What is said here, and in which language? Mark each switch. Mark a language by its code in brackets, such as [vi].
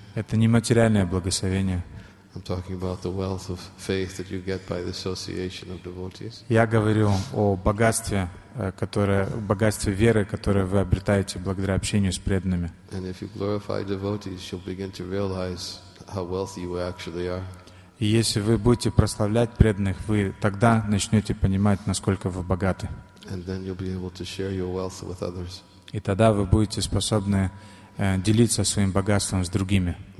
[ru] Это не материальное благословение. [en] I'm talking about the wealth of faith that you get by the association of devotees. [ru] Я говорю о богатстве веры, которое вы обретаете благодаря общению с преданными. [en] And if you glorify devotees, you'll begin to realize how wealthy you actually are. [ru] И если вы будете прославлять преданных, вы тогда начнете понимать, насколько вы богаты. И тогда вы будете способны делиться своим богатством с другими.